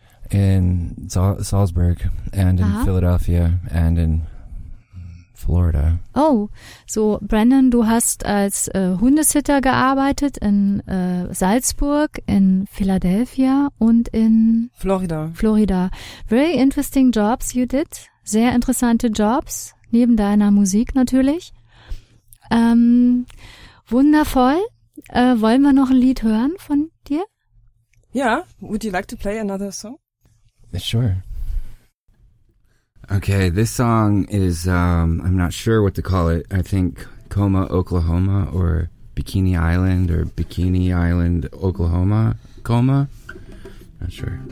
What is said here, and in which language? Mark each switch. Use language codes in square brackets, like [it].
[en] In Salzburg and in Philadelphia and in Florida. [de] Oh, so Brendan, du hast als Hundesitter gearbeitet in Salzburg, in Philadelphia und in... [en] Florida. [de] Florida. [en] Very interesting jobs you did. [de] Sehr interessante Jobs, neben deiner Musik natürlich. Wundervoll. Wollen wir noch ein Lied hören von dir? [en] Yeah, would you like to play another song? Sure. Okay, this song is, I'm not sure what to call it. I think Coma, Oklahoma, or Bikini Island, Oklahoma, Coma. Not sure.